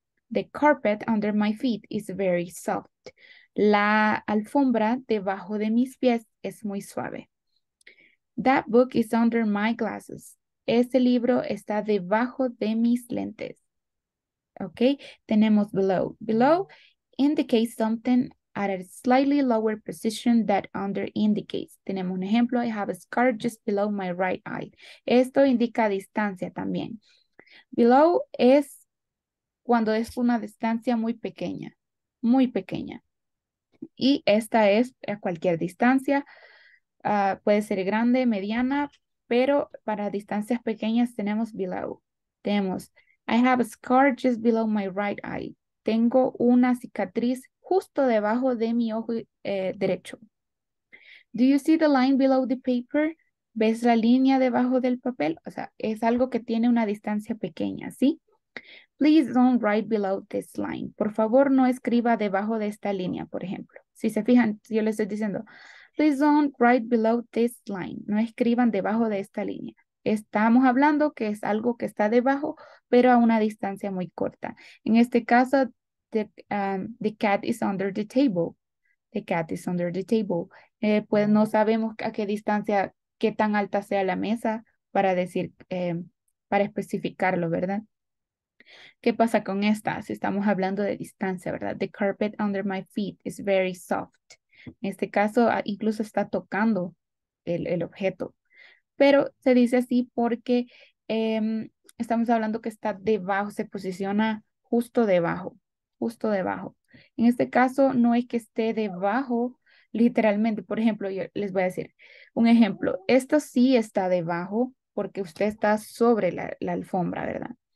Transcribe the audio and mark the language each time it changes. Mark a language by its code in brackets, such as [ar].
[en] The carpet under my feet is very soft. [es] La alfombra debajo de mis pies es muy suave. [en] That book is under my glasses. [es] Ese libro está debajo de mis lentes. Ok, tenemos below. [en] Below indicates something at a slightly lower position that under indicates. [es] Tenemos un ejemplo. [en] I have a scar just below my right eye. [es] Esto indica distancia también. Below es cuando es una distancia muy pequeña. Muy pequeña. Y esta es a cualquier distancia, puede ser grande, mediana, pero para distancias pequeñas tenemos below. Tenemos, [en] I have a scar just below my right eye. [es] Tengo una cicatriz justo debajo de mi ojo derecho. [en] Do you see the line below the paper? [es] ¿Ves la línea debajo del papel? O sea, es algo que tiene una distancia pequeña, ¿sí? [en] Please don't write below this line. [es] Por favor, no escriba debajo de esta línea, por ejemplo. Si se fijan, yo les estoy diciendo, [en] please don't write below this line. [es] No escriban debajo de esta línea. Estamos hablando que es algo que está debajo, pero a una distancia muy corta. En este caso, [en] the cat is under the table. The cat is under the table. [es] Pues no sabemos a qué distancia, qué tan alta sea la mesa para decir, para especificarlo, ¿verdad? ¿Qué pasa con esta? Si estamos hablando de distancia, ¿verdad? [en] The carpet under my feet is very soft. [es] En este caso, incluso está tocando el objeto. Pero se dice así porque estamos hablando que está debajo, se posiciona justo debajo, justo debajo. En este caso, no es que esté debajo literalmente. Por ejemplo, yo les voy a decir un ejemplo. Esto sí está debajo porque usted está sobre la alfombra, ¿verdad?